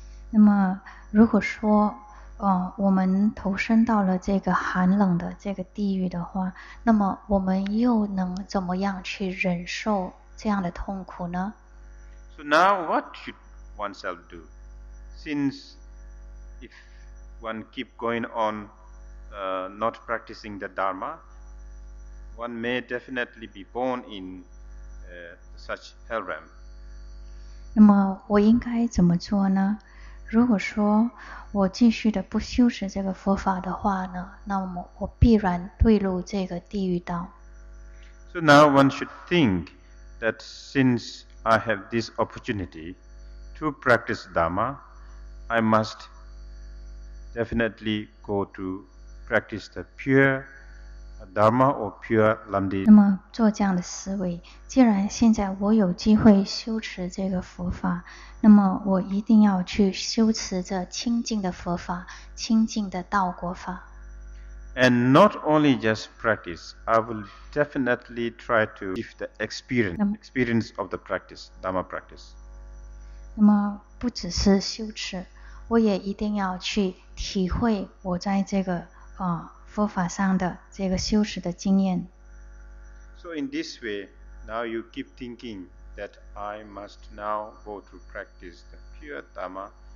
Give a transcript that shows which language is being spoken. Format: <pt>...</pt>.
<zh>那么如果说我们投身到了这个寒冷的这个地狱的话，那么我们又能怎么样去忍受这样的痛苦呢？</zh> <en>So now what should oneself do? Since if one keep going on not practicing the Dharma, one may definitely be born in such hell realm.</en> <zh>那么我应该怎么做呢？如果说我继续的不修持这个佛法的话呢，那么我必然堕入这个地狱道。</zh> <en>So now one should think that since I have this opportunity to practice Dharma, I must definitely go to practice the pure Dharma or pure Lamdi.</en> <zh>那么做这样的思维，既然现在我有机会修持这个佛法。那么我一定要去修持这清净的佛法，清净的道果法。</zh> <en>And not only just practice, I will definitely try to give the experience of the practice, Dharma practice.</en> <zh>那么不只是修持，我也一定要去体会我在这个佛法上的这个修持的经验。</zh> <en>So in this way, now you keep thinking.That I must now go to practice the pure Dharma</en>